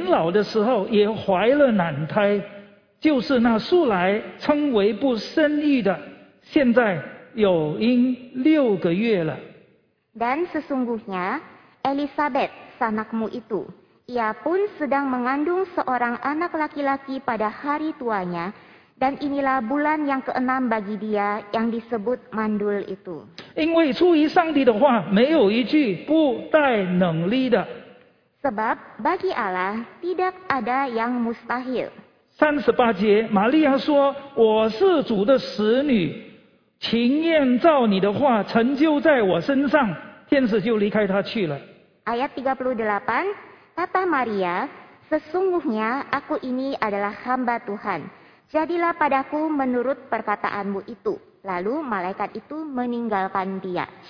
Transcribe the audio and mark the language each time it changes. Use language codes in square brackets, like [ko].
[zh] 况且你的亲戚伊丽莎白在年老的时候也怀了男胎。就是那素来称为不生育的，现在有孕6个月了。 [id] Dan sesungguhnya Elizabeth sanakmu itu Ia pun sedang mengandung seorang anak laki-laki pada hari tuanya, dan inilah bulan yang keenam bagi dia yang disebut mandul itu. [zh] 因为出于上帝的话，没有一句不带能力的。 [id] Sebab bagi Allah tidak ada yang mustahil. [zh] 38节，玛利亚说：“我是主的使女，情愿照你的话成就在我身上。”天使就离开她去了。 [id] Ayat 38, kata Maria, sesungguhnya aku ini adalah hamba Tuhan. Jadilah padaku menurut perkataanmu itu. Lalu malaikat itu meninggalkan dia.